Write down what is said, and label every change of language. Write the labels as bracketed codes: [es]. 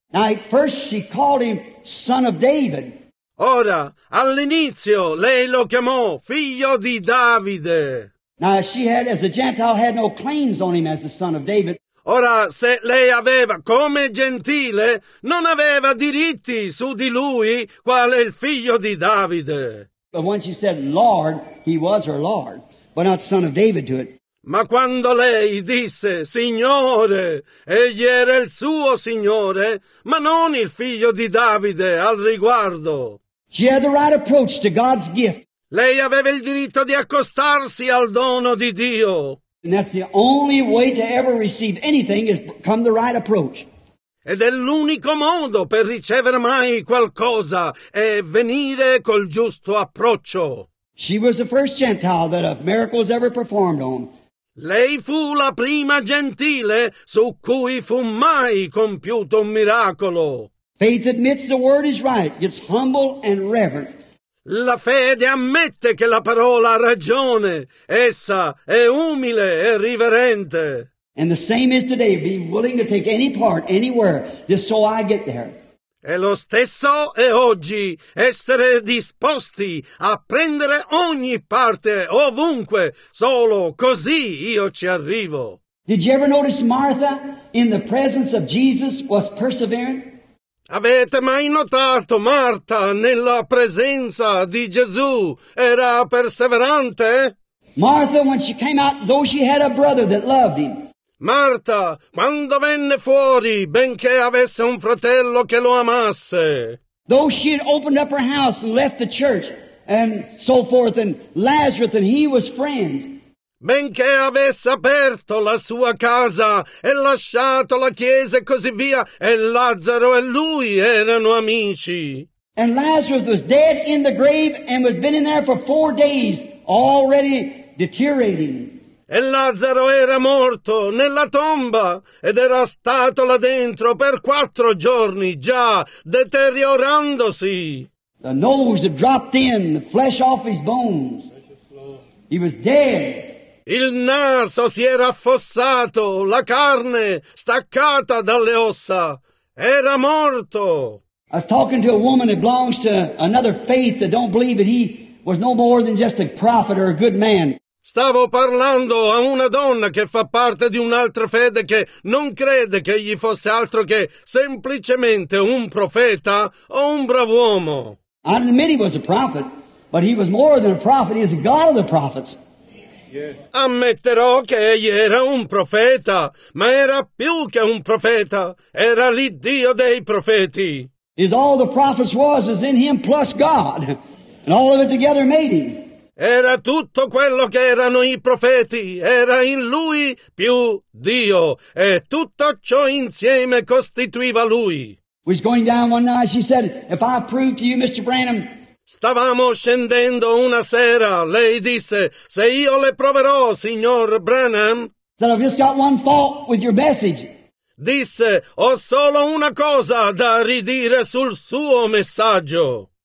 [en] Now, at first she called him son of David. [it] Ora, all'inizio, lei lo chiamò figlio di Davide. [en] Now, she had, as a Gentile, had no claims on him as the son of David. [it] Ora, se lei aveva, come gentile, non aveva diritti su di lui, quale il figlio di Davide. [en] But when she said Lord, he was her Lord, but not son of David to it. [it] Ma quando lei disse Signore, egli era il suo Signore, ma non il figlio di Davide al riguardo. [en] She had the right approach to God's gift. [it] Lei aveva il diritto di accostarsi al dono di Dio. [en] And that's the only way to ever receive anything is come the right approach. [it] Ed è l'unico modo per ricevere mai qualcosa, è venire col giusto approccio. [en] She was the first Gentile that a miracle was ever performed on. [it] Lei fu la prima gentile su cui fu mai compiuto un miracolo. [en] Faith admits the word is right, it's humble and reverent. [it] La fede ammette che la parola ha ragione, essa è umile e riverente. [en] And the same is today, be willing to take any part, anywhere, just so I get there. [it] E lo stesso è oggi, essere disposti a prendere ogni parte, ovunque, solo così io ci arrivo. [en] Did you ever notice Martha in the presence of Jesus was persevering? [it] Avete mai notato Martha nella presenza di Gesù era perseverante? [en] Martha, when she came out, though she had a brother that loved him, [it] Martha, quando venne fuori, benché avesse un fratello che lo amasse, [en] though she had opened up her house and left the church and so forth, and Lazarus and he was friends, [it] benché avesse aperto la sua casa e lasciato la chiesa e così via, e Lazzaro e lui erano amici, [en] and Lazarus was dead in the grave and was been in there for 4 days, already deteriorating. [it] E Lazzaro era morto nella tomba ed era stato là dentro per 4 giorni, già deteriorandosi. [en] The nose had dropped in, the flesh off his bones. He was dead. [it] Il naso si era affossato, la carne staccata dalle ossa. Era morto. [en] I was talking to a woman that belongs to another faith that don't believe that he was no more than just a prophet or a good man. [it] Stavo parlando a una donna che fa parte di un'altra fede che non crede che egli fosse altro che semplicemente un profeta o un bravo uomo. [en] I admit he was a prophet, but he was more than a prophet, he is the God of the prophets. Yeah. [it] Ammetterò che egli era un profeta, ma era più che un profeta, era l'Iddio dei profeti. [en] Is all the prophets was in him plus God, and all of it together made him. [it] Era tutto quello che erano i profeti, era in lui più Dio, e tutto ciò insieme costituiva lui. [en] Was going down one night, she said, if I prove to you, Mr. Branham. [it] Stavamo scendendo una sera, lei disse, se io le proverò, signor Branham. [en] Said, I've just got one fault with your message. [it] Disse, ho solo una cosa da ridire sul suo messaggio.